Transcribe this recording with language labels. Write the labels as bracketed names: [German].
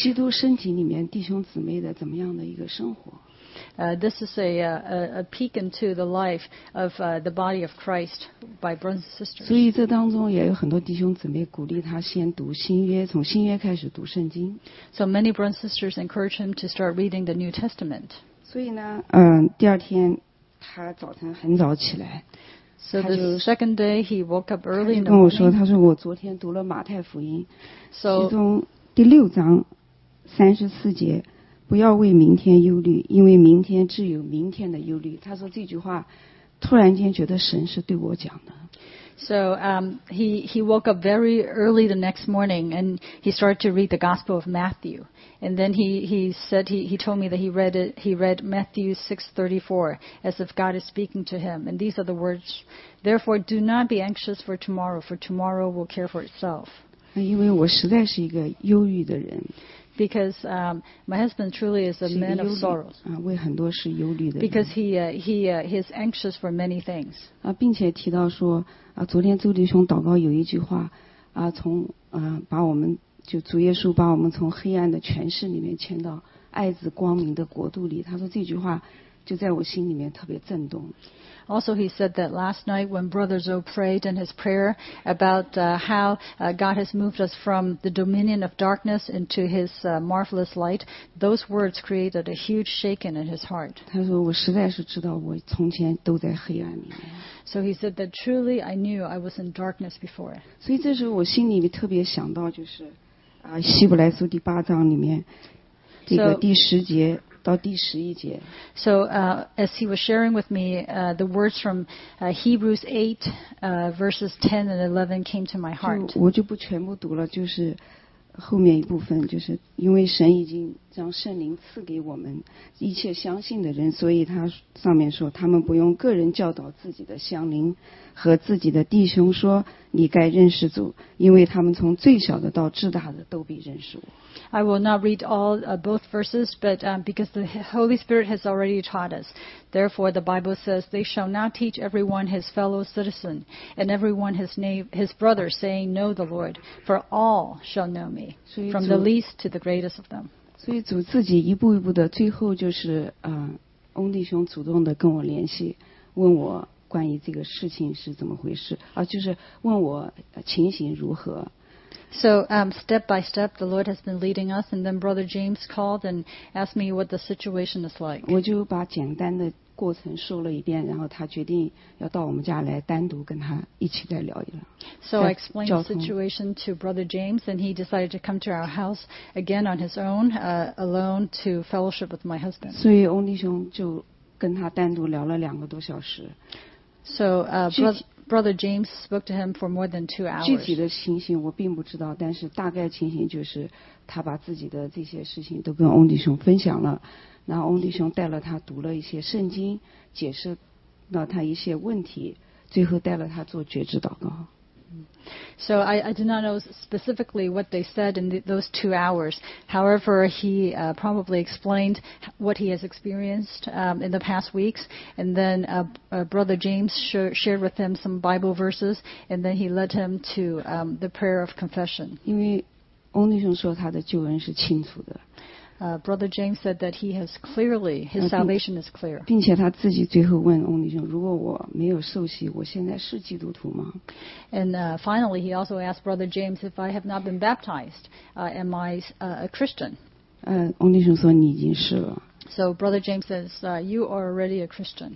[Chinese] 基督身体里面弟兄姊妹的怎么样的一个生活？ [English] This is a peek into the life of the body of Christ by brothers and sisters. [Chinese] 所以这当中也有很多弟兄姊妹鼓励他先读新约，从新约开始读圣经。 [English] So many brothers and sisters encourage him to start reading the New Testament. [Chinese] 所以呢，第二天他早晨很早起来。 [English] So the second day he woke up early. [Chinese] 他就跟我说，他说我昨天读了马太福音，其中第六章三十四节，不要为明天忧虑，因为明天自有明天的忧虑。他说这句话，突然间觉得神是对我讲的。 [English] So he woke up very early the next morning and he started to read the Gospel of Matthew. And then he told me that he read Matthew 6:34 as if God is speaking to him. And these are the words, "Therefore, do not be anxious for tomorrow will care for itself." [Chinese] 因为我实在是一个忧郁的人。 [English] Because my husband truly is a man of sorrows. [Chinese] 为很多事忧虑的。 [English] Because he is anxious for many things. [Chinese] 并且提到说，昨天周弟兄祷告有一句话，从把我们就主耶稣把我们从黑暗的权势里面迁到爱子光明的国度里。他说这句话就在我心里面特别震动。 [English] Also, he said that last night when Brother Zoe prayed in his prayer about how God has moved us from the dominion of darkness into his marvelous light, those words created a huge shaking in his heart. [Chinese] 他说我实在是知道我从前都在黑暗里面。 [English] So he said that truly I knew I was in darkness before. [Chinese] 所以这时候我心里特别想到就是希伯来书第八章里面这个第十节。到第十一节。 [English] So as he was sharing with me, the words from Hebrews 8, verses 10 and 11 came to my heart. [Chinese] 我就不全部读了，就是后面一部分，就是因为神已经将圣灵赐给我们一切相信的人，所以他上面说，他们不用个人教导自己的乡邻和自己的弟兄说，你该认识主，因为他们从最小的到至大的都必认识我。 [English] I will not read all both verses, but because the Holy Spirit has already taught us. Therefore, the Bible says, "They shall not teach everyone his fellow citizen, and everyone his brother, saying, 'Know the Lord,' for all shall know me, from the least to the greatest of them." [Chinese] 所以主自己一步一步的，最后就是翁弟兄主动的跟我联系，问我关于这个事情是怎么回事，就是问我情形如何。 [English] So step by step, the Lord has been leading us, and then Brother James called and asked me what the situation is like. [Chinese] 我就把简单的过程说了一遍，然后他决定要到我们家来单独跟他一起再聊一聊。 [English] So I explained the situation to Brother James, and he decided to come to our house again on his own, alone to fellowship with my husband. [Chinese] 所以翁弟兄就跟他单独聊了两个多小时。 [English] So Brother James spoke to him for more than 2 hours. [Chinese] 具体的情形我并不知道，但是大概情形就是他把自己的这些事情都跟翁弟兄分享了，然后翁弟兄带了他读了一些圣经，解释了他一些问题，最后带了他做觉知祷告。 [English] So I do not know specifically what they said in those 2 hours. However, he probably explained what he has experienced in the past weeks. And then Brother James shared with him some Bible verses. And then he led him to the prayer of confession. [Chinese] 因为翁弟兄说他的救恩是清楚的。 [English] Brother James said that he has clearly, his salvation is clear. [Chinese] 并且他自己最后问翁弟兄，如果我没有受洗，我现在是基督徒吗？ [English] And finally, he also asked Brother James, if I have not been baptized, am I a Christian? [Chinese] 翁弟兄说你已经是了。 [English] So Brother James says, you are already a Christian.